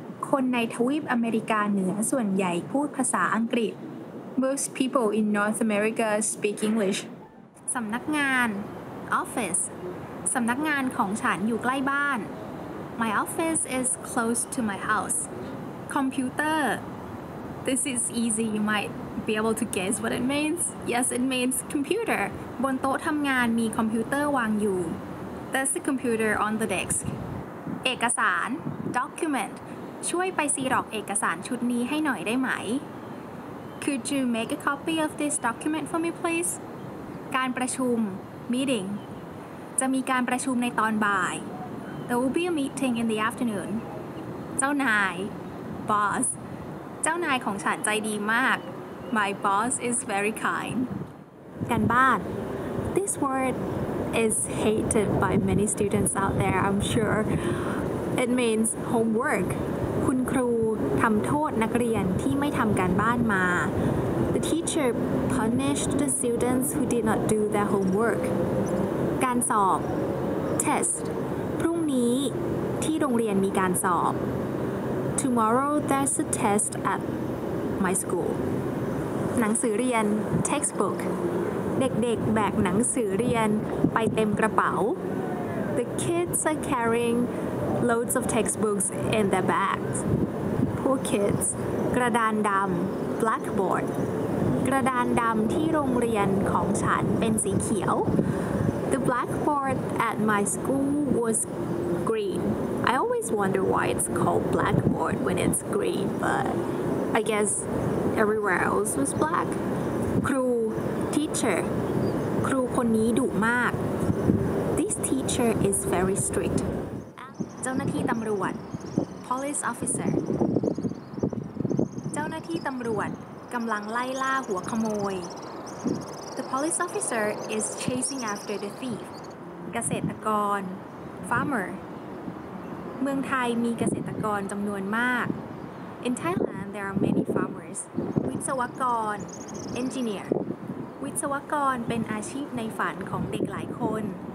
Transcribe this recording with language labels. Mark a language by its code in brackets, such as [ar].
[th] คนในทวีปอเมริกาเหนือส่วนใหญ่พูดภาษาอังกฤษ [en] Most people in North America speak English. [th] สำนักงาน office. สำนักงานของฉันอยู่ใกล้บ้าน [en] My office is close to my house. Computer. This is easy. You might be able to guess what it means. Yes, it means computer. [th] บนโต๊ะทำงานมีคอมพิวเตอร์วางอยู่ [en] That's the computer on the desk. [th] เอกสาร document. ช่วยไปซีร็อกเอกสารชุดนี้ให้หน่อยได้ไหม [en] Could you make a copy of this document for me, please? [th] การประชุม meeting. จะมีการประชุมในตอนบ่าย [en] There will be a meeting in the afternoon. [th] เจ้านาย [en] boss. [th] เจ้านายของฉันใจดีมาก [en] My boss is very kind. การบ้าน This word is hated by many students out there, I'm sure. It means homework. [th] คุณครูทำโทษนักเรียนที่ไม่ทำการบ้านมา [en] The teacher punished the students who did not do their homework. [th] การสอบ [en] Test. [th] พรุ่งนี้ที่โรงเรียนมีการสอบ [en] Tomorrow there's a test at my school. [th] หนังสือเรียน textbook. เด็กๆแบกหนังสือเรียนไปเต็มกระเป๋า [en] The kids are carrying loads of textbooks in their bags. Poor kids. [th] กระดานดำ [en] blackboard. [th] กระดานดำที่โรงเรียนของฉันเป็นสีเขียว [en] The blackboard at my school was green. I always wonder why it's called blackboard when it's green, but I guess everywhere else was black. [th] ครู teacher ครูคนนี้ดุมาก [en] This teacher is very strict. [th] เจ้าหน้าที่ตำรวจ [en] police officer [th] เจ้าหน้าที่ตำรวจกำลังไล่ล่าหัวขโมย [en] The police officer is chasing after the thief. [th] เกษตรกร [en] farmer [th] เมืองไทยมีเกษตรกรจำนวนมาก [en] In Thailand there are many farmers [th] วิศวกร [en] engineer [th] วิศวกรเป็นอาชีพในฝันของเด็กหลายคน